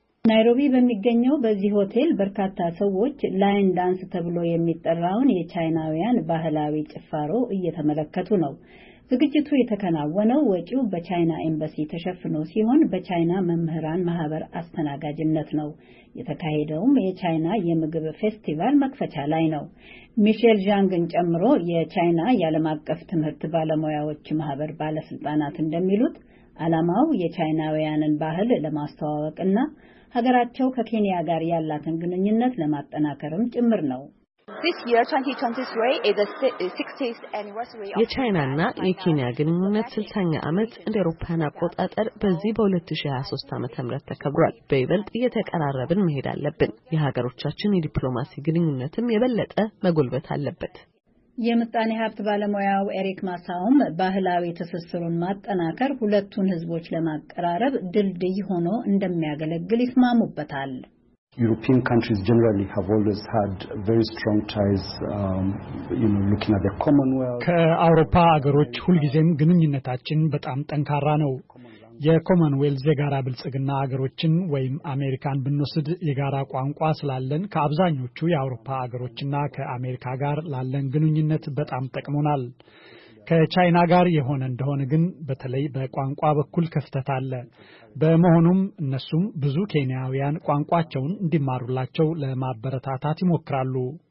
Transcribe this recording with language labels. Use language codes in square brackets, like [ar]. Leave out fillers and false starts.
[am] ናይሮቢ በሚገኘው በዚህ ሆቴል በርካታ ሰዎች ላይን ዳንስ ተብሎ የሚጠራውን የቻይናውያን ባህላዊ ጭፈራ እየተመለከቱ ነው። ዝግጅቱ የተከናወነው ወጪው በቻይና ኤምባሲ ተሸፍኖ ሲሆን በቻይና መምህራን ማህበር አስተናጋጅነት ነው። የተካሄደውም የቻይና የምግብ ፌስቲቫል መክፈቻ ላይ ነው። ሚሼል ዣንግን ጨምሮ የቻይና የዓለም አቀፍ ትምህርት ባለሙያዎች ማህበር ባለስልጣናት እንደሚሉት አላማው የቻይናውያንን ባህል ለማስተዋወቅና ሀገራቸው ከኬንያ ጋር ያላትን ግንኙነት ለማጠናከርም ጭምር ነው። [en] This year 2023 is the 60th anniversary of [am] የቻይና እና የኬንያ ግንኙነት 60ኛ ዓመት እንደ አውሮፓውያን አቆጣጠር በዚህ በ2023 ዓመተ ምህረት ተከብሯል። በይበልጥ እየተቀራረብን መሄድ አለብን። የሀገሮቻችን የዲፕሎማሲ ግንኙነትም የበለጠ መጎልበት አለበት። የምጣኔ ሀብት ባለሙያው ኤሪክ ማሳውም ባህላዊ ተሰስሩን ማጠናከር ሁለቱን ህዝቦች ለማቀራረብ ድልድይ ሆኖ እንደሚያገለግል ይስማሙበታል። [en] European countries generally have always had very strong ties looking at the Commonwealth. [am] ከአውሮፓ ሀገሮች ሁልጊዜም ግንኙነታችን በጣም ጠንካራ ነው። የኮመንዌልዝ የጋራ ብልጽግና ሀገሮችን ወይም አሜሪካን ብንወስድ የጋራ ቋንቋ ስላለን ከአብዛኞቹ የአውሮፓ ሀገሮችና ከአሜሪካ ጋር ላለን ግንኙነት በጣም ጠቅሞናል። ከቻይና ጋር የሆነ እንደሆነ ግን በተለይ በቋንቋ በኩል ክፍተት አለ። በመሆኑም እነሱም ብዙ ኬንያውያን ቋንቋቸውን እንዲማሩላቸው ለማበረታታት ይሞክራሉ።